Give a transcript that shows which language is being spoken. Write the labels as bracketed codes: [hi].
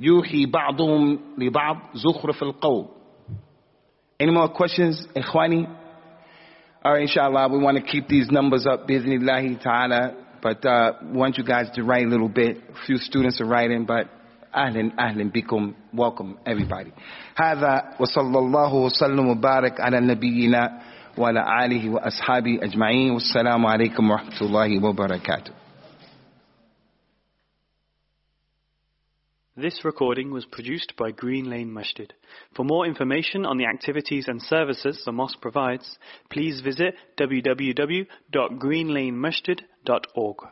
[ar] يُوحِي بَعْضُهُمْ لِبَعْضُ زُخْرِفَ الْقَوْلِ. [en] Any more questions, Ikhwani? All right, inshallah, we want to keep these numbers up, biznillahi ta'ala. But want you guys to write a little bit. A few students are writing, but ahlan, ahlan bikum. Welcome, everybody. [ar] هذا وصلى الله وسلم وبارك على نبينا وعلى آله وأصحابه أجمعين. والسلام عليكم ورحمة الله وبركاته. [en] This recording was produced by Green Lane Masjid. For more information on the activities and services the mosque provides, please visit www.greenlanemasjid.org.